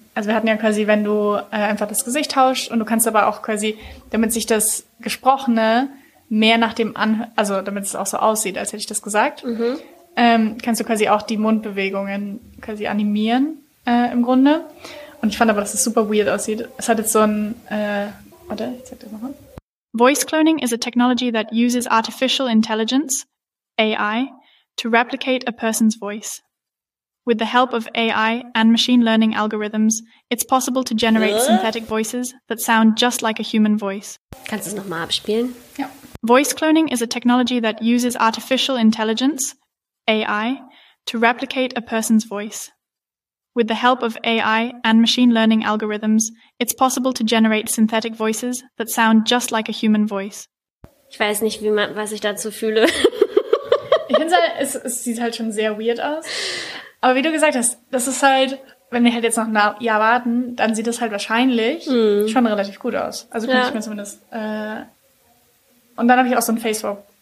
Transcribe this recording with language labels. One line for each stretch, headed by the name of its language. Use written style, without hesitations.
German: Also wir hatten ja quasi, wenn du einfach das Gesicht tauschst und du kannst aber auch quasi, damit sich das Gesprochene mehr nach dem also damit es auch so aussieht, als hätte ich das gesagt, kannst du quasi auch die Mundbewegungen quasi animieren im Grunde. Und ich fand aber, dass es super weird aussieht. Es hat jetzt so ein, warte, ich zeig dir nochmal.
English: Voice cloning is a technology that uses artificial intelligence, AI, to replicate a person's voice. With the help of AI and machine learning algorithms, it's possible to generate synthetic voices that sound just like a human voice.
German: Kannst du es nochmal abspielen? Ja.
English: Voice cloning is a technology that uses artificial intelligence, AI, to replicate a person's voice. With the help of AI and machine learning algorithms, it's possible to generate synthetic voices that sound just like a human voice.
German: Ich weiß nicht, was ich dazu fühle. Ich finde, es sieht halt schon sehr weird aus. Aber wie du gesagt hast, das ist halt, wenn wir halt jetzt noch ein Jahr warten, dann sieht das halt wahrscheinlich schon relativ gut aus. Also könnte ich mir zumindest... und dann habe ich auch so ein Facebook.